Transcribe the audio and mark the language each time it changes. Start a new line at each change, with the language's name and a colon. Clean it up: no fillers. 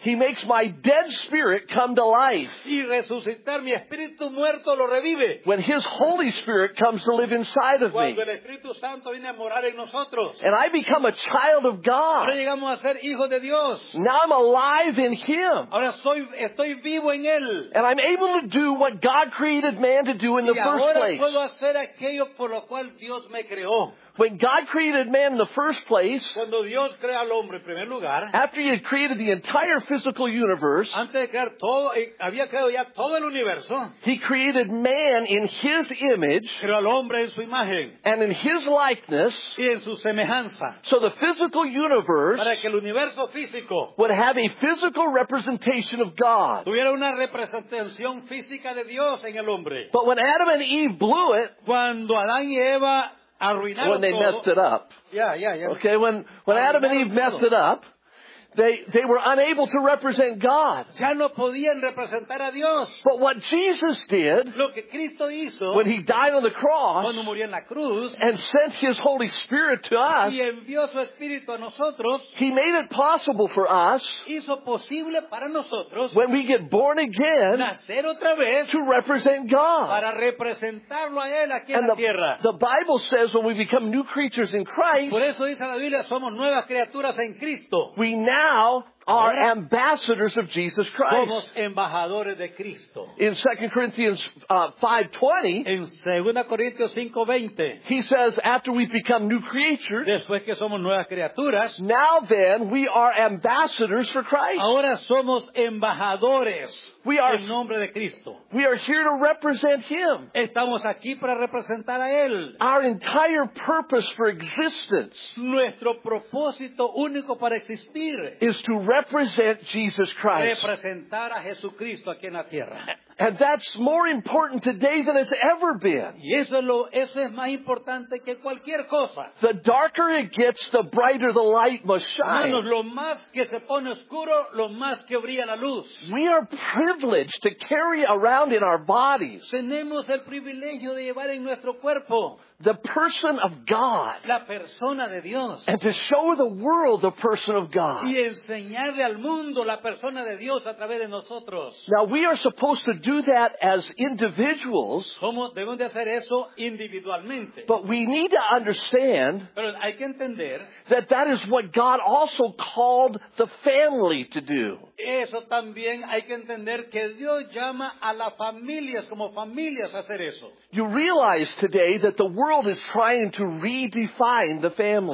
English: He makes my dead spirit come to life.
Spanish: Y resucitar mi espíritu muerto lo revive.
English: When his Holy Spirit comes to live inside of me.
Spanish: Cuando el Espíritu Santo viene a morar en nosotros.
English: And I become a child of God.
Spanish: Ahora llegamos a ser hijo de Dios.
English: Now I'm alive in him.
Spanish: Ahora estoy vivo en él.
English: And I'm able to do what God created man to do in the first place.
Spanish: Y ahora puedo hacer aquello por lo cual Dios me creó.
English: When God created man in the first place,
Spanish: cuando Dios crea al hombre en primer lugar,
English: after he had created the entire physical universe,
Spanish: antes de crear todo, había creado ya todo el universo,
English: he created man in his image,
Spanish: creó al hombre en su imagen,
English: and in his likeness,
Spanish: y en su semejanza.
English: So the physical universe,
Spanish: para que el universo físico,
English: would have a physical representation of God.
Spanish: Tuviera una representación física de Dios en el hombre.
English: But when Adam and Eve blew it,
Spanish: cuando Adán y Eva arruinaron
English: when they
Spanish: todo.
English: Messed it up. Yeah. Okay, when Adam and Eve
Spanish: todo.
English: Messed it up, they were unable to represent God.
Spanish: Ya no podían representar a Dios.
English: But what Jesus did,
Spanish: lo que Cristo hizo,
English: when he died on the cross,
Spanish: cuando murió en la cruz,
English: and sent his Holy Spirit to us,
Spanish: y envió su espíritu a nosotros,
English: he made it possible for us,
Spanish: hizo posible para nosotros,
English: when we get born again,
Spanish: nacer otra vez,
English: to represent God.
Spanish: Para representarlo a él aquí en la tierra.
English: The Bible says when we become new creatures in Christ,
Spanish: por eso dice la Biblia, somos nuevas criaturas en Cristo.
English: We now are ambassadors of Jesus Christ.
Spanish: Somos embajadores de Cristo.
English: In 2 Corinthians 5:20,
Spanish: en 2 Corintios 5:20,
English: he says, after we've become new creatures,
Spanish: después que somos nuevas criaturas,
English: now then we are ambassadors for Christ.
Spanish: Ahora somos embajadores en nombre de Cristo.
English: We are here to represent him.
Spanish: Estamos aquí para representar a él.
English: Our entire purpose for existence,
Spanish: nuestro propósito único para existir,
English: is to represent Jesus Christ.
Spanish: Representar a Jesucristo aquí en la tierra.
English: And that's more important today than it's ever been.
Spanish: Y eso es más importante que cualquier cosa.
English: The darker it gets, the brighter the light must shine.
Spanish: Hermanos, lo más que se pone oscuro, lo más que brilla la luz.
English: We are privileged to carry around in our bodies.
Spanish: Tenemos el privilegio de llevar en nuestro cuerpo.
English: The person of God.
Spanish: La persona de Dios.
English: And to show the world the person of God.
Spanish: Y enseñarle al mundo la persona de Dios a través de nosotros.
English: Now we are supposed to do that as individuals.
Spanish: Somos, debemos de hacer eso individualmente.
English: But we need to understand.
Spanish: Pero hay que entender.
English: That is what God also called the family to do.
Spanish: Eso también hay que entender que Dios llama a las familias como familias a hacer eso.
English: You realize today that the world is trying to redefine the family.